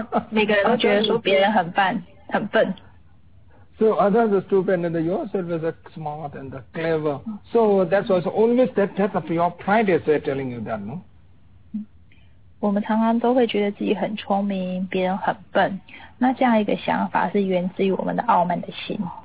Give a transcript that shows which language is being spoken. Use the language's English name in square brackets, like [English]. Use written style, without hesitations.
[Chinese] 每个人都觉得说别人很笨，很笨。 [English] So others are stupid and yourself is smart and clever. So that's also always that death of your pride is telling you that, no? [Chinese] 我们常常都会觉得自己很聪明，别人很笨。那这样一个想法是源自于我们的傲慢的心。